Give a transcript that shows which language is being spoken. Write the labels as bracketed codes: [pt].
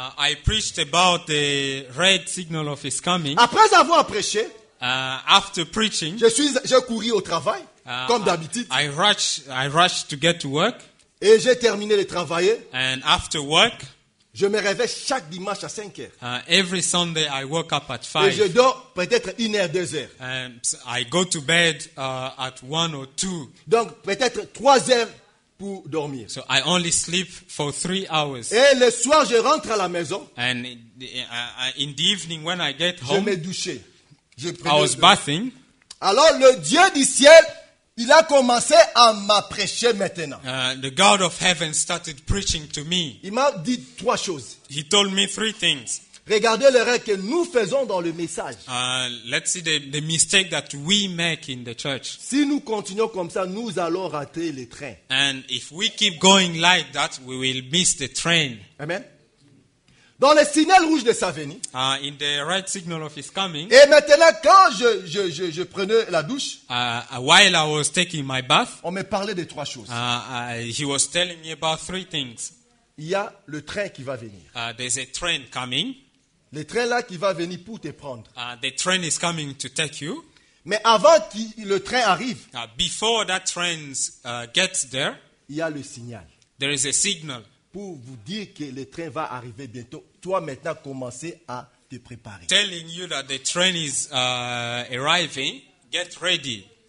[en] I preached about the red signal of his coming. [fr] Après avoir prêché, [en] after preaching, [fr] j'ai couru au travail, comme d'habitude. [en] I rushed to get to work. [fr] Et j'ai terminé de travailler. [en] And after work, [fr] je me réveille chaque dimanche à 5 heures. [en] Every Sunday I woke up at 5. [fr] Et je dors peut-être 1 heure, 2 heures. [en] And I go to bed at 1 or 2. [fr] Donc peut-être 3 heures pour dormir. [en] So I only sleep for 3 hours. [fr] Et le soir je rentre à la maison. [en] And in the evening when I get home, [fr] je me douche. Je prends. [en] I was bathing. [fr] Alors le Dieu du ciel, il a commencé à m'apprêcher maintenant. [en] The God of heaven started preaching to me. [fr] Il m'a dit 3 choses. [en] He told me 3 things. [fr] Regardez l'erreur que nous faisons dans le message. [en] Let's see the mistake that we make in the church. [fr] Si nous continuons comme ça, nous allons rater le train. [en] And if we keep going like that, we will miss the train. [fr] Amen. Dans le signal rouge de sa venue. [en] In the red signal of his coming. [fr] Et maintenant, quand je prenais la douche. [en] While I was taking my bath. [fr] On me parlait de 3 choses. [en] He was telling me about 3 things. [fr] Il y a le train qui va venir. [en] There's a train coming. [fr] Le train là qui va venir pour te prendre. [en] The train is coming to take you. [fr] Mais avant que le train arrive. [en] Before that train gets there. [fr] Il y a le signal. [en] There is a signal. [fr] Pour vous dire que le train va arriver bientôt, toi maintenant commencez à te préparer. [en] Telling you that the train is arriving, get ready.